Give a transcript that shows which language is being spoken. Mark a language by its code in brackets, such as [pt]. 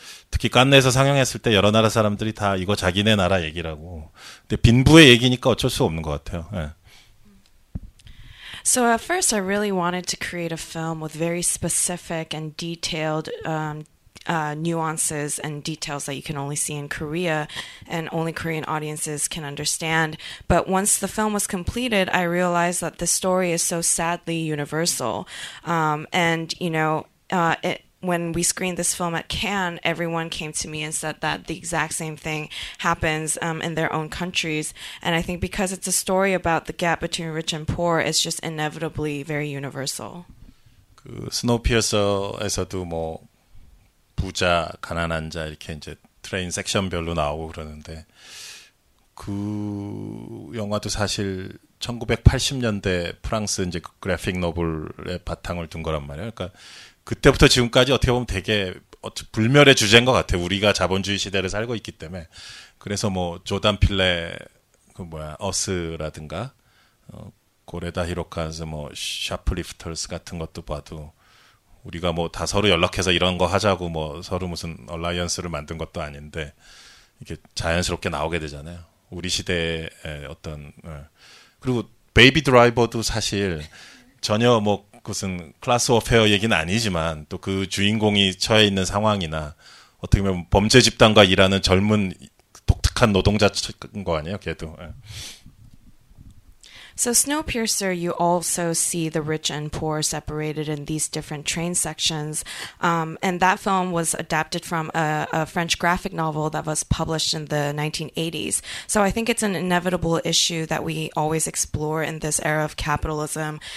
[ko] 특히 깐네에서 상영했을 때 여러 나라 사람들이 다 이거 자기네 나라 얘기라고. 근데 빈부의 얘기니까 어쩔 수 없는 것 같아요. 예. [en] So at first I really wanted to create a film with very specific and detailed nuances and details that you can only see in Korea and only Korean audiences can understand. But once the film was completed, I realized that the story is so sadly universal. And, you know, it when we screened this film at Cannes, everyone came to me and said that the exact same thing happens in their own countries. And I think because it's a story about the gap between rich and poor, it's just inevitably very universal. [ko] 그 스노우피어서에서도 뭐 부자, 가난한 자 이렇게 이제 트레인 섹션별로 나오고 그러는데 그 영화도 사실 1980년대 프랑스 이제 그래픽 노블의 바탕을 둔 거란 말이에요. 그러니까 그때부터 지금까지 어떻게 보면 되게 불멸의 주제인 것 같아요. 우리가 자본주의 시대를 살고 있기 때문에. 그래서 뭐 조단 필레 그 뭐야 어스라든가 고레다 히로카즈 뭐 샤플리프터스 같은 것도 봐도 우리가 뭐 다 서로 연락해서 이런 거 하자고 뭐 서로 무슨 얼라이언스를 만든 것도 아닌데 이렇게 자연스럽게 나오게 되잖아요. 우리 시대의 어떤 그리고 베이비 드라이버도 사실 전혀 뭐 그것은 클래스 워페어 얘기는 아니지만 또 그 주인공이 처해 있는 상황이나 어떻게 보면 범죄 집단과 일하는 젊은 독특한 노동자인 거 아니에요, 걔도. [en] So Snowpiercer, you also see the rich and poor separated in these different train sections. And that film was adapted from a French graphic novel that was published in the 1980s. So I think it's an inevitable issue that we always explore in this era of capitalism.